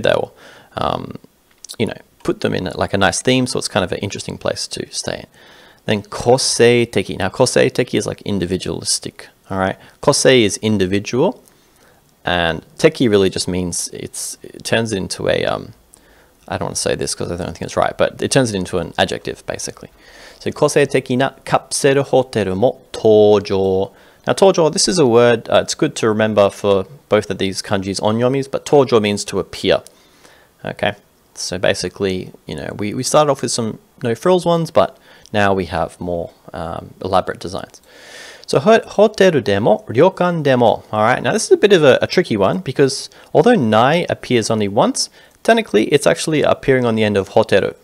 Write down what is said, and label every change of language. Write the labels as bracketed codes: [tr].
[en] They will, put them in like a nice theme, so it's kind of an interesting place to stay in. Then kosei teki. Now kosei teki is like individualistic. All right, kosei is individual, and teki really just means it turns it into a I don't want to say this because I don't think it's right, but it turns it into an adjective basically. [ja] So, 個性的なカプセルホテルも登場。 [en] Now, 登場, this is a word, it's good to remember for both of these kanjis, onyomis, but 登場 means to appear. Okay, so basically, we started off with some no-frills ones, but now we have more elaborate designs. So, [ja] hotel demo, ryokan demo. [en] All right, now this is a bit of a tricky one because although nai appears only once, technically it's actually appearing on the end of hotel.